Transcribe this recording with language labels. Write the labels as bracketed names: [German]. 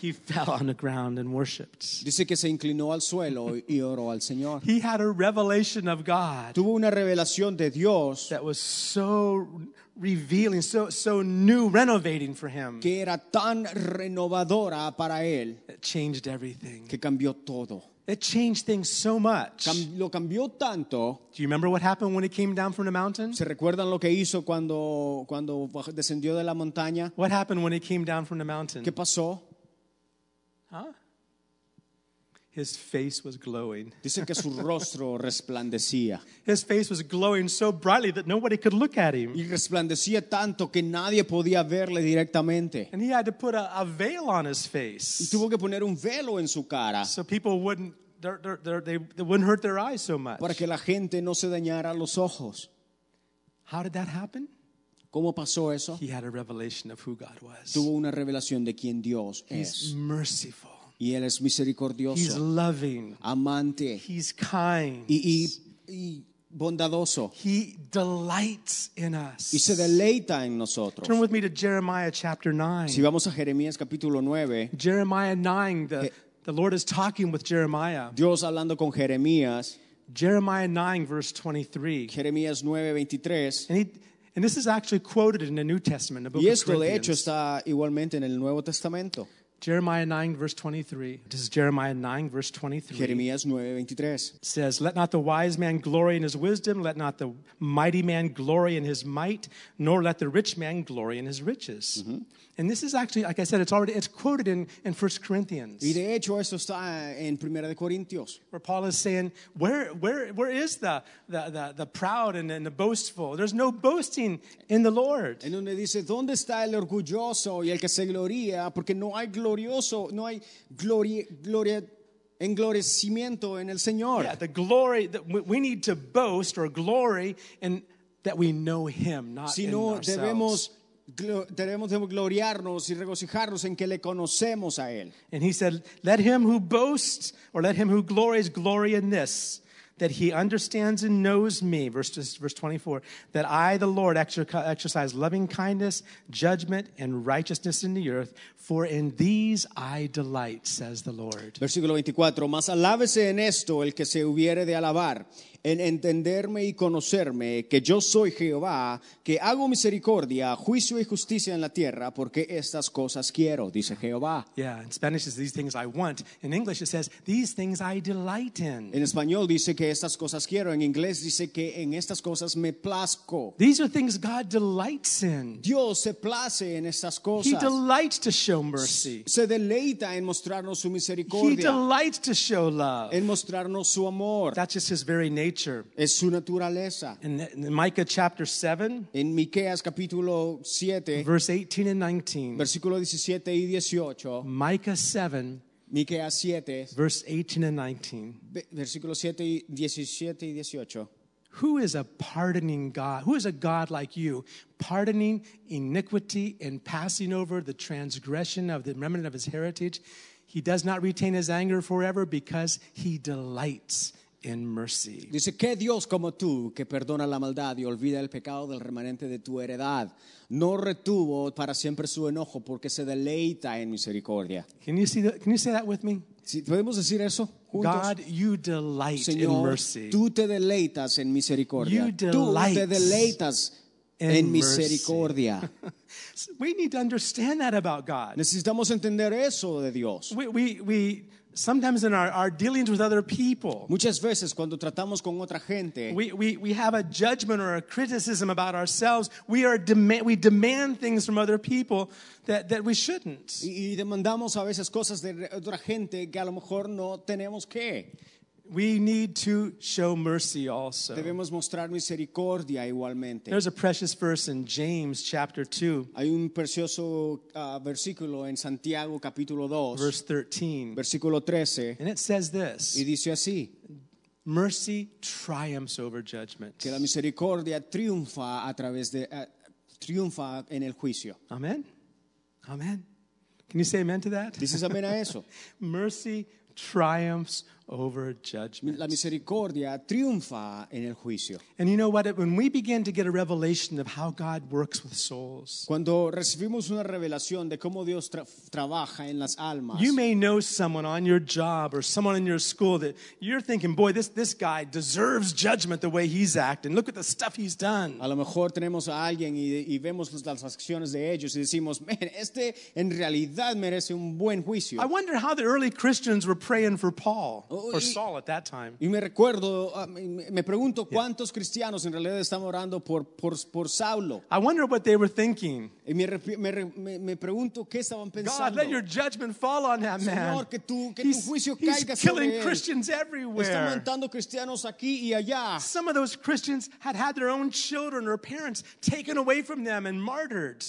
[English] He fell on the ground and worshipped. [Spanish] Dice que se inclinó al suelo y oró al Señor. [English] He had a revelation of God. [Spanish] Tuvo una revelación de Dios [English] that was so revealing, so new, renovating for him. [Spanish] Que era tan renovadora para él. [English] It changed everything. [Spanish] Que cambió todo. [English] It changed things so much. [Spanish] Lo cambió tanto. [English] Do you remember what happened when he came down from the mountain? [Spanish] ¿Se recuerdan lo que hizo cuando descendió de la montaña? [English] What happened when he came down from the mountain? [Spanish] ¿Qué pasó? [English] Huh? His face was glowing. [Spanish] Dice que su rostro resplandecía. [English] His face was glowing so brightly that nobody could look at him. [Spanish] Y resplandecía tanto que nadie podía verle directamente. [English] And he had to put a veil on his face. [Spanish] Y tuvo que poner un velo en su cara. [English] So people wouldn't they wouldn't hurt their eyes so much. [Spanish] Para que la gente no se dañara los ojos. [English] How did that happen? [Spanish] ¿Cómo pasó eso? [English] He had a revelation of who God was. [Spanish] Tuvo una revelación de quién Dios es. [English] He's merciful. [Spanish] Y él es misericordioso. [English] He's loving. [Spanish] Amante. [English] He's kind. [Spanish] Y bondadoso. [English] He delights in us. [Spanish] Y se deleita en nosotros. [English] Turn with me to Jeremiah chapter 9. [Spanish] Si vamos a Jeremías capítulo 9. [English] Jeremiah 9, the Lord is talking with Jeremiah. [Spanish] Dios hablando con Jeremías. [English] Jeremiah 9 verse 23. [Spanish] Jeremías 9:23. [English] And this is actually quoted in the New Testament, the book of Corinthians. [Spanish] Y esto de hecho está igualmente en el Nuevo Testamento. [English] Jeremiah 9, verse 23. This is Jeremiah 9, verse 23. [Spanish] Jeremías 9, 23. [English] It says, let not the wise man glory in his wisdom, let not the mighty man glory in his might, nor let the rich man glory in his riches. Mm-hmm. And this is actually, like I said, it's quoted in 1 Corinthians. [Spanish] Y de hecho, esto está en Primera de Corintios. [English] Where Paul is saying, where is the proud and the boastful? There's no boasting in the Lord. [Spanish] En donde dice, ¿dónde está el orgulloso y el que se gloria? Porque no hay glorioso, no hay gloria englorecimiento en el Señor. [English] Yeah, the glory that we need to boast or glory in that we know him, not [Spanish] si [English] in [Spanish] no, [English] ourselves. [Spanish] Debemos gloriarnos y regocijarnos en que le conocemos a él. [English] And he said, let him who boasts or let him who glories glory in this, that he understands and knows me, verse 24, that I, the Lord, exercise loving kindness, judgment, and righteousness in the earth, for in these I delight, says the Lord. [Spanish] Versículo 24, mas alábese en esto el que se hubiere de alabar, en entenderme y conocerme, que yo soy Jehová, que hago misericordia, juicio y justicia en la tierra, porque estas cosas quiero, dice Jehová. [English] Yeah, in Spanish it's these things I want. In English it says, these things I delight in. [Spanish] En español dice que estas cosas quiero. En inglés dice que en estas cosas me plazco. [English] These are things God delights in. [Spanish] Dios se place en estas cosas. [English] He delights to show mercy. [Spanish] Se deleita en mostrarnos su misericordia. [English] He delights to show love. [Spanish] En mostrarnos su amor. [English] That's just his very nature. [Spanish] Es su naturaleza. [English] In Micah chapter 7, [Spanish] en Miqueas capítulo 7, [English] verse 18 and 19, [Spanish] versículo 17 y 18, [English] Micah 7, [Spanish] Miqueas 7, [English] verse 18 and 19. [Spanish] Versículo 7, 17 y 18. [English] Who is a pardoning God? Who is a God like you, pardoning iniquity and passing over the transgression of the remnant of his heritage? He does not retain his anger forever because he delights in mercy. [Spanish] Dice, ¿qué Dios como tú que perdona la maldad y olvida el pecado del remanente de tu heredad? No retuvo para siempre su enojo porque se deleita en misericordia. [English] Can you say that with me? [Spanish] ¿Podemos decir eso juntos? [English] God, you delight [Spanish] Señor, [English] in mercy. [Spanish] Tú te deleitas en misericordia. [English] You delight [Spanish] tú te deleitas en misericordia. [English] We need to understand that about God. [Spanish] Necesitamos entender eso de Dios. [English] We sometimes in our dealings with other people. [Spanish] Muchas veces cuando tratamos con otra gente. [English] We have a judgment or a criticism about ourselves. We demand things from other people that we shouldn't. [Spanish] Y demandamos a veces cosas de otra gente que a lo mejor no tenemos que. [English] We need to show mercy also. [Spanish] Debemos mostrar misericordia igualmente. [English] There's a precious verse in James chapter 2. [Spanish] Hay un precioso versículo en Santiago capítulo 2. [English] Verse 13. [Spanish] Versículo 13. [English] And it says this. [Spanish] Y dice así. [English] Mercy triumphs over judgment. [Spanish] Que la misericordia triunfa a través de triunfa en el juicio. [English] Amen. Amen. Can you say amen to that? [Spanish] Dices amén a eso. [English] Mercy triumphs over judgment. [Spanish] La misericordia triunfa en el juicio. [English] And you know what? When we begin to get a revelation of how God works with souls, [Spanish] cuando recibimos una revelación de cómo Dios trabaja en las almas, [English] you may know someone on your job or someone in your school that you're thinking, boy, this guy deserves judgment the way he's acting. Look at the stuff he's done. [Spanish] A lo mejor tenemos a alguien y vemos las acciones de ellos y decimos, man, este en realidad merece un buen juicio. [English] I wonder how the early Christians were praying for Paul. Or Saul at that time. [Spanish] Y me recuerdo, me pregunto cuántos cristianos en realidad están orando por Saulo. [English] I wonder what they were thinking. [Spanish] Y me pregunto qué estaban pensando. [English] God, let your judgment fall on that man. [Spanish] Señor, que tu juicio caiga sobre él. [English] He's killing Christians everywhere. [Spanish] Está matando cristianos aquí y allá. [English] Some of those Christians had their own children or parents taken away from them and martyred.